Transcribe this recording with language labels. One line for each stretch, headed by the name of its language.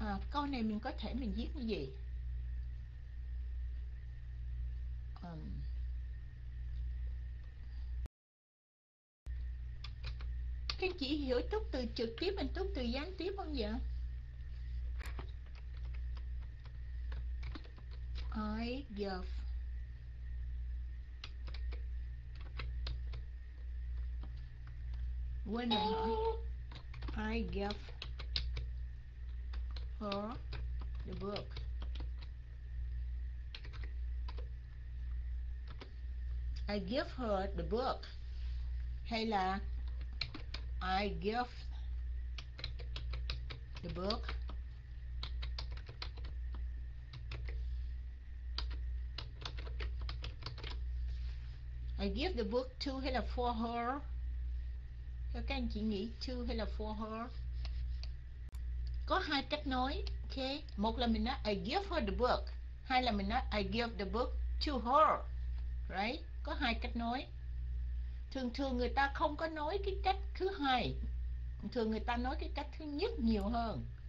Vietnamese: Câu này mình có thể mình viết cái gì? Các chị hiểu túc từ trực tiếp và túc từ gián tiếp không vậy?
English: I give when I give her the book. I give her the book.
Vietnamese: Hay là
English: I give the book I give the book to
Vietnamese: hay là
English: for her.
Vietnamese: Các anh chị nghĩ to hay là
English: for her?
Vietnamese: có hai cách nói, okay. Một là mình nói
English: I give her the book,
Vietnamese: hai là mình nói
English: I give the book to her, right?
Vietnamese: Có hai cách nói. Thường thường người ta không có nói cái cách thứ hai, thường người ta nói cái cách thứ nhất nhiều hơn.